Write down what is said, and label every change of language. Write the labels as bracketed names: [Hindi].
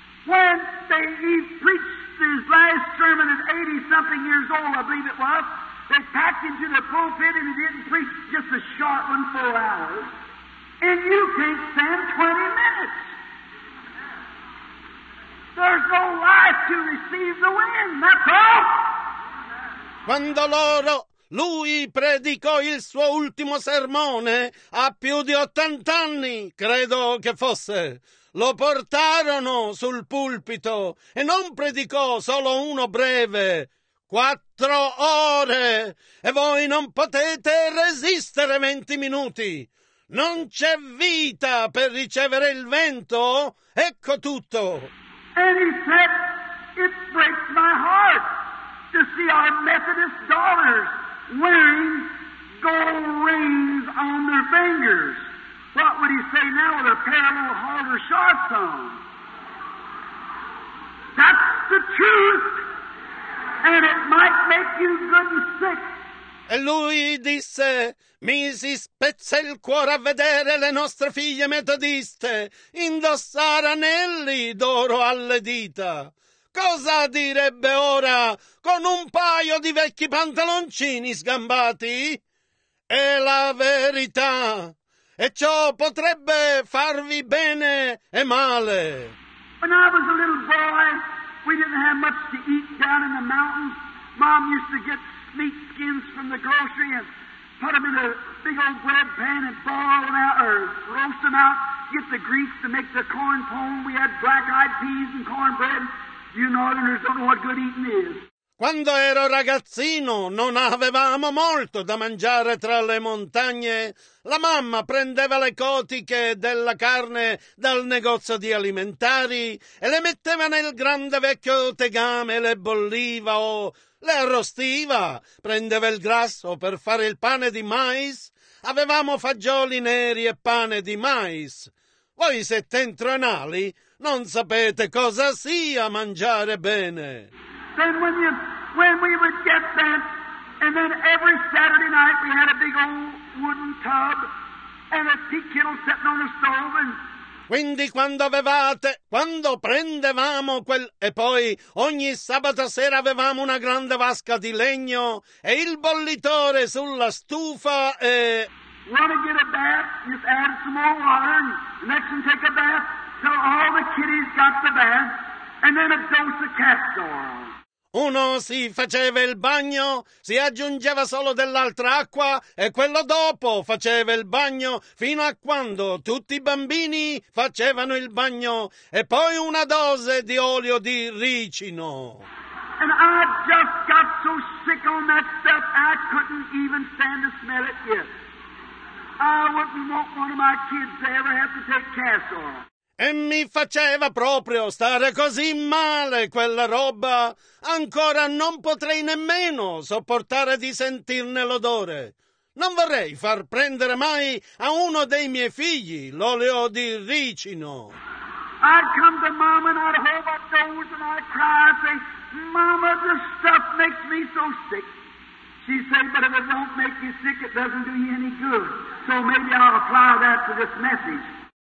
[English] When he preached his last sermon at 80-something years old, I believe it was, they packed him to the pulpit and he didn't preach just a short one, 4 hours. And you can't stand 20 minutes. There's no life to receive the wind, that's all. [Italian] Quando lui predicò il suo ultimo sermone a più di 80 anni, credo che fosse. Lo portarono sul pulpito e non predicò solo uno breve, 4 ore. E voi non potete resistere 20 minuti. Non c'è vita per ricevere il vento? Ecco tutto. [English] And he said, it breaks my heart to see our Methodist daughters wearing gold rings on their fingers. What would he say now with a pair of little harder shorts on? That's the truth, and it might make you good and sick. [Italian] E lui disse, mi si spezza il cuore a vedere le nostre figlie metodiste indossare anelli d'oro alle dita. Cosa direbbe ora con un paio di vecchi pantaloncini sgambati? È la verità, e ciò potrebbe farvi bene e male. [English] When I was a little boy, we didn't have much to eat down in the mountains. Mom used to get meat skins from the grocery and put them in a big old bread pan and boil them out or roast them out, get the grease to make the corn pone. We had black-eyed peas and cornbread. You northerners don't know what good eating is. [Italian] Quando ero ragazzino non avevamo molto da mangiare tra le montagne. La mamma prendeva le cotiche della carne dal negozio di alimentari e le metteva nel grande vecchio tegame, le bolliva o le arrostiva, prendeva il grasso per fare il pane di mais. Avevamo fagioli neri e pane di mais. Voi settentrionali non sapete cosa sia mangiare bene. [English] Then when we would get bent, and then every Saturday night we had a big old wooden tub and a tea kettle sitting on the stove and... [Italian] Quindi quando prendevamo quel... E poi ogni sabato sera avevamo una grande vasca di legno e il bollitore sulla stufa e... [English] Want to get a bath? Just add some more water and let them take a bath till all the kiddies got the bath and then a dose of castor oil. [Italian] Uno si faceva il bagno, si aggiungeva solo dell'altra acqua e quello dopo faceva il bagno fino a quando tutti i bambini facevano il bagno e poi una dose di olio di ricino. [English] And I just got so sick on that stuff I couldn't even stand to smell it yet. I wouldn't want one of my kids to ever have to take castor oil. [Italian] E mi faceva proprio stare così male quella roba. Ancora non potrei nemmeno sopportare di sentirne l'odore. Non vorrei far prendere mai a uno dei miei figli l'olio di ricino. [English] I'd come to mom and I'd hold my nose and I'd cry and say, Mama, this stuff makes me so sick. She said, but if it don't make you sick, it doesn't do you any good. So maybe I'll apply that to this message.